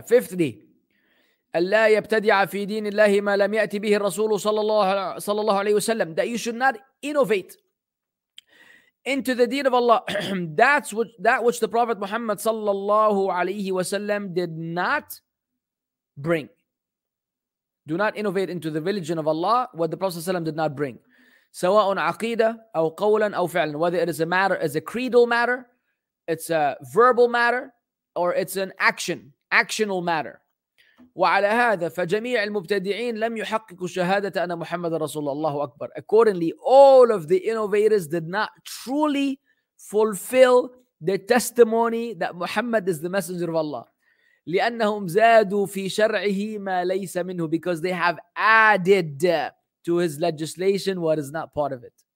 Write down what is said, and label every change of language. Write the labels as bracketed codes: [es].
[en] Fifthly, [ar] ألا يبتدع في دين الله ما لم يأتي به الرسول صلى الله عليه وسلم. [en] That you should not innovate into the deen of Allah. That's what, that which the Prophet Muhammad صلى الله عليه وسلم did not bring. Do not innovate into the religion of Allah what the Prophet ﷺ did not bring. [ar] سواء عقيدة أو قولا أو فعلا. [en] Whether it is a matter, it's a creedal matter, it's a verbal matter, or it's an actional matter. [ar] وعلى هذا فجميع المبتدعين لم يحققوا شهادة أن محمد رسول الله أكبر. [en] Accordingly, all of the innovators did not truly fulfill the testimony that Muhammad is the Messenger of Allah. [ar] لأنهم زادوا في شرعه ما ليس منه, [en] because they have added to his legislation what is not part of it.